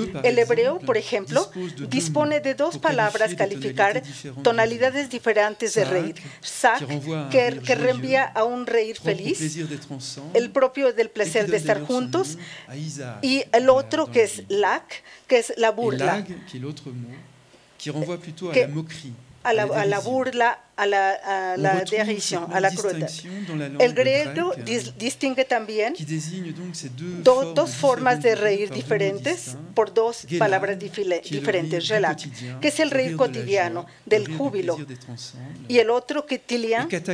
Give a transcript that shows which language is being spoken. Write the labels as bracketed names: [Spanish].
[Spanish] El hebreo, por ejemplo, dispone de dos palabras para calificar tonalidades diferentes de reír. Sac, que reenvía a un reír feliz, el propio del placer de estar juntos, y el otro que es lac, que es la burla. [French] Lag, qui est l'autre mot, qui renvoie plutôt à la moquerie. [Spanish] A la burla, a la dérision, a la crueldad. El griego distingue también dos formas de reír diferentes por dos palabras diferentes, relax, que es el reír cotidiano, del júbilo, y el otro, ketilian,